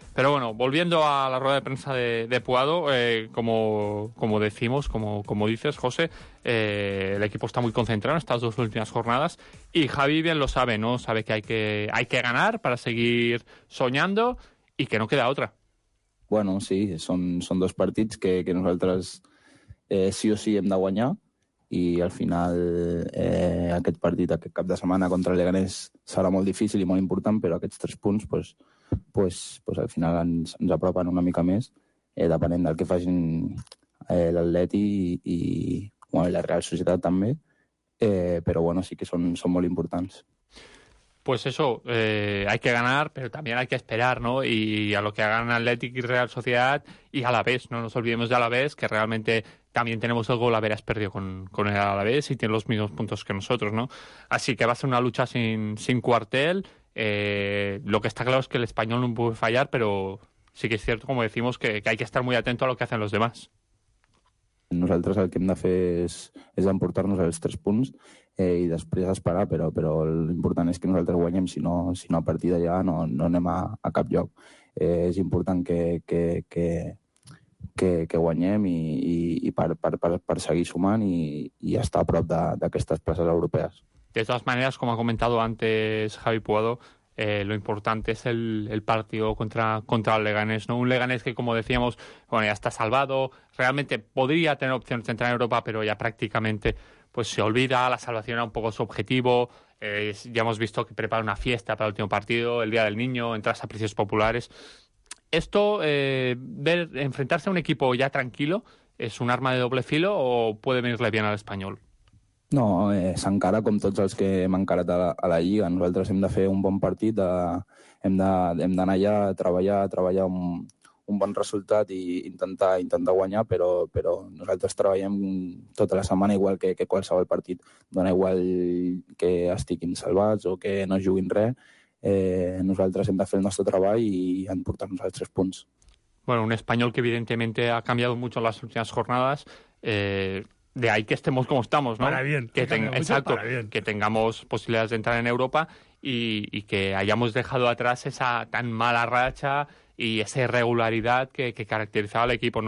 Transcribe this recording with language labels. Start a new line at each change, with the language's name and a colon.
Spanish: Pero bueno, volviendo a la rueda de prensa de Puado, como dices, José, el equipo está muy concentrado en estas dos últimas jornadas y Javi bien lo sabe, ¿no? Sabe que hay que ganar para seguir soñando y que no queda otra.
Catalan: Bueno, sí, son dos partits que nosaltres sí o sí hem de guanyar i al final aquest partit, aquest cap de setmana contra el Leganés serà molt difícil i molt important, però aquests tres punts, pues al final ens apropen una mica més, depenent del que facin l'Atleti i la Real Societat també, però bueno, sí que són molt importants.
Spanish: Pues eso, hay que ganar, pero también hay que esperar, ¿no? Y a lo que hagan Athletic y Real Sociedad y Alavés, no nos olvidemos de Alavés, que realmente también tenemos el gol, Alavés perdió con el Alavés y tiene los mismos puntos que nosotros, ¿no? Así que va a ser una lucha sin cuartel. Lo que está claro es que el Español no puede fallar, pero sí que es cierto, como decimos, que hay que estar muy atento a lo que hacen los demás.
Catalan: Nosaltres el que hem de fer és emportar-nos els tres punts i després esperar, però l'important és que nosaltres guanyem, si no a partir d'allà no anem a cap lloc. És important que guanyem i per seguir sumant i estar a prop d'aquestes places europees. De totes maneres, com ha comentat
Spanish: antes Javi Puado, lo importante es el partido contra el Leganés, ¿no? Un Leganés que, como decíamos, bueno, ya está salvado, realmente podría tener opciones de entrar en Europa, pero ya prácticamente pues se olvida, la salvación era un poco su objetivo. Ya hemos visto que prepara una fiesta para el último partido, el Día del Niño, entras a precios populares. Esto, ver enfrentarse a un equipo ya tranquilo, ¿es un arma de doble filo o puede venirle bien al Español?
Catalan: No, s'encara com tots els que hem encarat a la Lliga. Nosaltres hem de fer un bon partit, hem d'anar allà a treballar, un bon resultat i intentar guanyar, però nosaltres treballem tota la setmana igual que qualsevol partit. Dona igual que estiguin salvats o que no juguin res. Nosaltres hem de fer el nostre treball i en portar-nos els tres punts.
Spanish: Bueno, un Español que evidentemente ha cambiado mucho en las últimas jornadas. De ahí que estemos como estamos, ¿no? Para bien. Que tengamos posibilidades de entrar en Europa y que hayamos dejado atrás esa tan mala racha y esa irregularidad que caracterizaba al equipo.